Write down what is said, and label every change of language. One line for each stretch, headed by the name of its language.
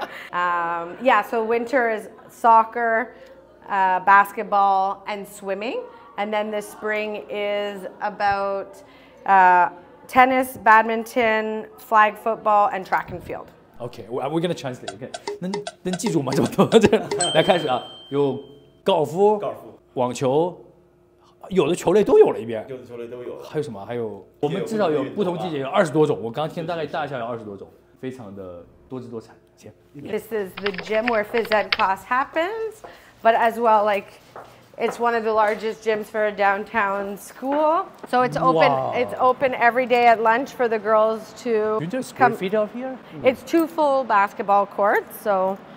English: Yeah, so winter is soccer, basketball, and swimming. And then the spring is about tennis, badminton, flag football, and track and field. Okay, we're going to translate. Okay.
Chinese: 能记住吗？这么多？来开始啊，有高尔夫网球。有的球类都有了一遍，有的球类都有了。还有什么？还有我们至少有不同季节有二十多种。我刚听大概大小有二十多种，非常的多姿多彩。行。
English: This is the gym where phys ed class happens, but as well, like it's one of the largest gyms for a downtown school. So it's open. It's open every day at lunch for the girls to come. You just square feet out here. It's two full basketball courts. So,